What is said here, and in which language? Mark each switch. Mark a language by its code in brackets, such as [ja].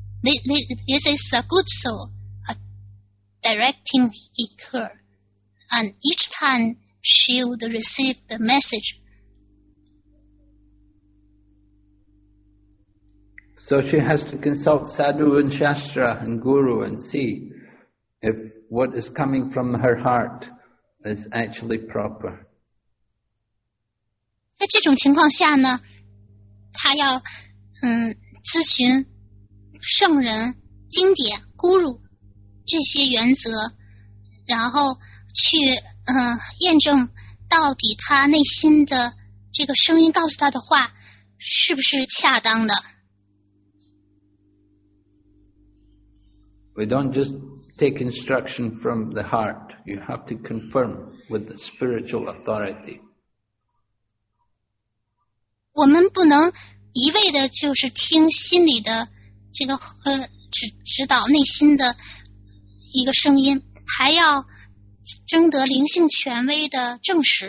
[en] This is a good soul, directing her, and each time she would receive the message. So she has to consult sadhu and shastra and guru and see if what is coming from her heart is actually proper. [zh] 在这种情况下呢，她要咨询圣人、经典、孤乳这些原则，然后去验证到底他内心的这个声音告诉他的话是不是恰当的。 [en] We don't just take instruction from the heart. You have to confirm with the spiritual authority. [zh] 我们不能一味的就是听心里的这个指导内心的一个声音，还要征得灵性权威的证实。